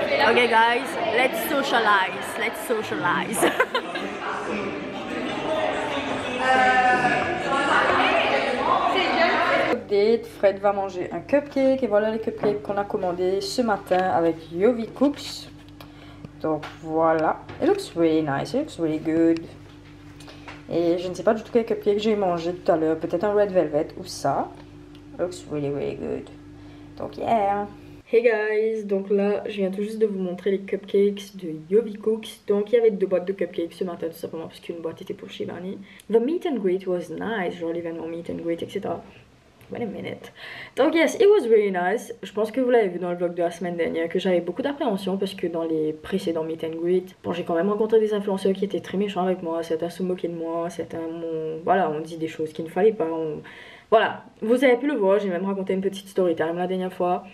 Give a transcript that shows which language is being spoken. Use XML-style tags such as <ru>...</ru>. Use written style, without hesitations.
<en>Okay, guys, let's socialize. Let's socialize.</en> <fr>Fred va manger un cupcake et voilà les cupcakes qu'on a commandé ce matin avec Yovi Cooks. Donc voilà,</fr> <en>it looks really nice, it looks really good.</en> <fr>Et je ne sais pas du tout quel cupcake j'ai mangé tout à l'heure, peut-être un red velvet ou ça.</fr> <en>It looks really really good. Donc yeah. Hey guys,</en> <fr>donc là je viens tout juste de vous montrer les cupcakes de Yovi Cooks. Donc il y avait deux boîtes de cupcakes ce matin tout simplement parce qu'une boîte était pour Shivani.</fr> <en>The meet and greet was nice,</en> <fr>genre l'événement meet and greet etc.</fr> <en>Wait a minute. Donc yes, it was really nice.</en> <fr>Je pense que vous l'avez vu dans le vlog de la semaine dernière que j'avais beaucoup d'appréhension parce que dans les précédents meet and greet, bon, j'ai quand même rencontré des influenceurs qui étaient très méchants avec moi. Certains se moquaient de moi, certains m'ont... Voilà, on dit des choses qu'il ne fallait pas. Voilà, vous avez pu le voir, j'ai même raconté une petite story time la dernière fois.</fr>